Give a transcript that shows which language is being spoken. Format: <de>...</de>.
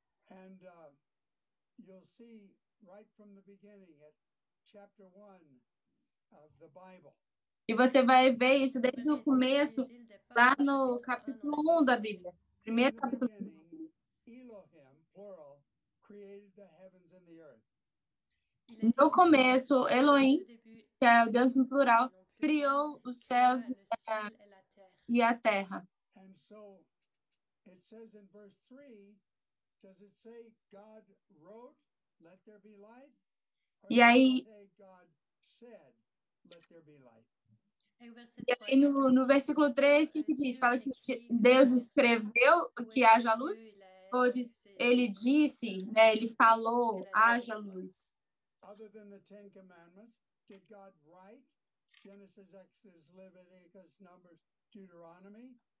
<en>And you'll see right from the beginning at chapter 1 of the Bible.</en> <pt>E você vai ver isso desde o começo, lá no capítulo 1 da Bíblia. Primeiro capítulo 1.</pt> <en>Elohim, plural, created the heavens and the earth.</en> <pt>No começo, Elohim, que é o Deus no plural, criou os céus e a terra.</pt> <en>And so, it says in verse 3, does it say God wrote, let there be light?</en> <pt>E aí,</pt> <en>God said, let there be light?</en> <pt>E aí, no versículo 3, o que diz? Fala que Deus escreveu que haja luz? Ou diz, ele disse, né, ele falou, haja luz?</pt> <en>Other than the Ten Commandments, did God write Genesis, Exodus, Leviticus, Numbers, Deuteronomy?</en>